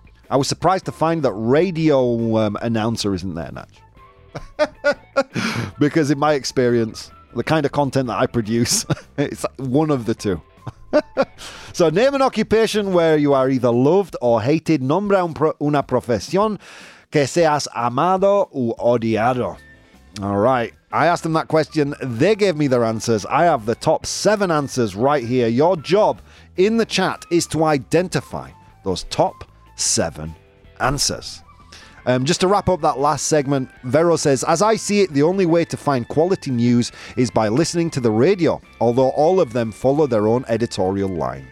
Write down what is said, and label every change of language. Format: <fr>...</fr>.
<en>I was surprised to find that radio announcer isn't there, Natch. Because in my experience, the kind of content that I produce, it's one of the two. So name an occupation where you are either loved or hated.</en> <es>Nombra una profesión que seas amado u odiado.</es> <en>All right. I asked them that question. They gave me their answers. I have the top seven answers right here. Your job in the chat is to identify those top seven answers. Just to wrap up that last segment, Vero says, as I see it, the only way to find quality news is by listening to the radio, although all of them follow their own editorial line.</en>